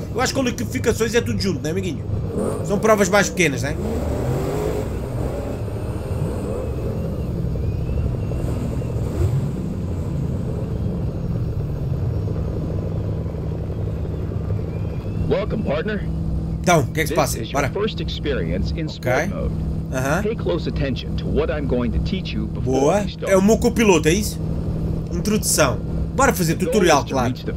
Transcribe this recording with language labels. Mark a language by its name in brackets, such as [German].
[Portuguese] Eu acho que qualificações é tudo junto, não é, amiguinho? São provas mais pequenas, não é? [English] Welcome, partner. [Portuguese] Então, o que é que se passa? [English] This is your first experience in sport mode. Pay close attention to what I'm going to teach you before we start. [Portuguese] Boa. É o meu copiloto, é isso? Introdução. Bora fazer tutorial, claro.